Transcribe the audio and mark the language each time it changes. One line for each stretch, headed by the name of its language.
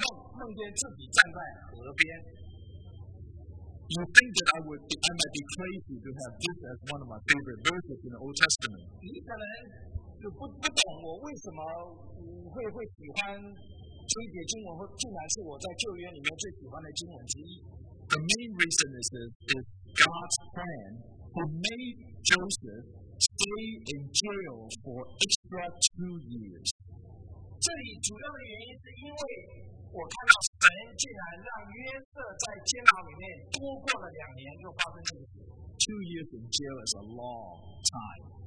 Chinese: 这里说到过了两年，法老做梦，梦见自己站在河边。
English: You think that I might be crazy to have this as one of my favorite verses in the Old Testament.
Chinese: 你可能就不懂我为什么会喜欢
English: The main reason is that God's plan, who made Joseph stay in jail for extra 2 years. Two years in jail is a long time.